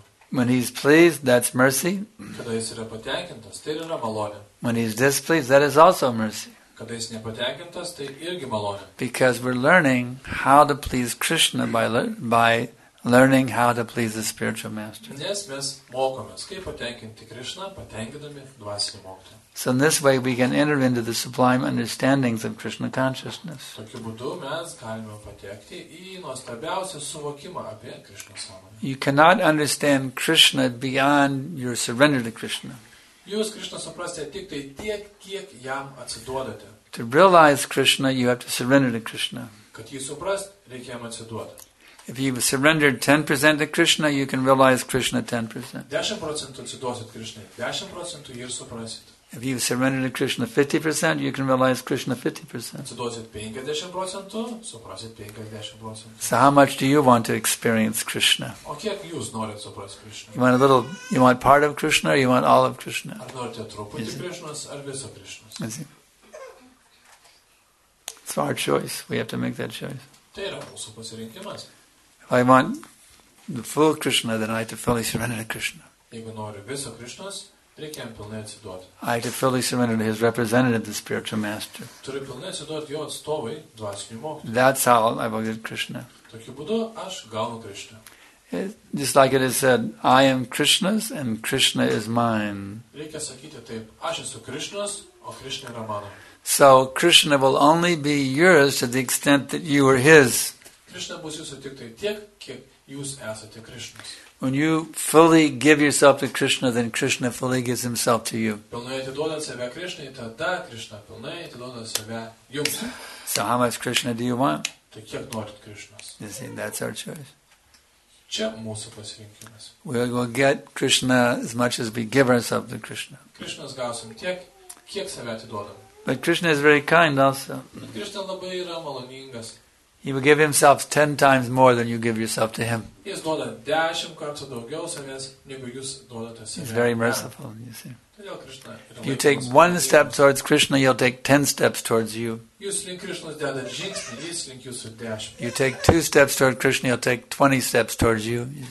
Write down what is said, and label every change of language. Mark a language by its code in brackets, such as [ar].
[en] When he's pleased, that's mercy. [lt] Kada jis yra patenkintas, tai yra malonė. [en] When he's displeased, that is also mercy. [lt] Kada jis nepatenkintas, tai irgi malonė. [en] Because we're learning how to please Krishna by learning how to please the spiritual master. [lt] Nes mes mokomės, kaip patenkinti Krishna, patenkindami dvasinį mokytoją. [en] So in this way we can enter into the sublime understandings of Krishna consciousness. [lt] Tokiu būdu mes galime patekti į nuostabiausią suvokimą apie Krishna sąmonę. [en] You cannot understand Krishna beyond your surrender to Krishna. [lt] Jūs Krishna suprasite tik tai tiek, kiek jam atsiduodate. [en] To realize Krishna, you have to surrender to Krishna. [lt] Kad jį suprast, reikia jam atsiduoti. [en] If you've surrendered 10% to Krishna, you can realize Krishna 10%. [lt] 10% atsiduosit Krishna, 10% jį suprasit. [en] If you've surrendered to Krishna 50%, you can realize Krishna 50%. [lt] Atsiduosit 50%, suprasit 50%. [en] So how much do you want to experience Krishna? [lt] O kiek jūs norit suprasti Krishna? [en] You want part of Krishna or you want all of Krishna? [lt] Ar norite truputį Krishnas ar visą Krishnas? [en] It's our choice. We have to make that choice. [lt] Tai yra mūsų pasirinkimas. [en] If I want the full Krishna, then I have to fully surrender to Krishna. [lt] Jeigu noriu viso Krishnas, reikia jam pilnai atsiduoti. [en] I have to fully surrender to his representative, the spiritual master. [lt] Turiu pilnai atsiduoti jo atstovui, dvasiniui mokytojui. [en] That's how I will get Krishna. [lt] Tokiu būdu aš gaunu Krishna. [en] Just like it is said, I am Krishna's and Krishna is mine. [lt] Reikia sakyti taip, aš esu Krishna's, o Krishna yra mano. [en] So Krishna will only be yours to the extent that you are his. [lt] Krishna bus jūsų tik tai tiek, kiek jūs esate Krishna's. [en] When you fully give yourself to Krishna, then Krishna fully gives himself to you. [lt] Pilnai atiduodant save Krishnai, tada Krishna pilnai atiduoda save jums. [en] So how much Krishna do you want? [lt] Tai kiek norit Krishna's. [en] You see, that's our choice. [lt] Čia mūsų pasirinkimas. [en] We will get Krishna as much as we give ourselves to Krishna. [lt] Krishna's gausim tiek, kiek save atiduodam. [en] But Krishna is very kind also. [lt] Krishna labai yra maloningas. [en] He will give himself 10 times more than you give yourself to him. [lt] Jis duoda 10 kartų daugiau savęs, negu jūs duodate savęs. [en] He's very merciful, you see. If you take one step towards Krishna, he'll take 10 steps towards you. You take two steps towards Krishna, he'll take 20 steps towards you.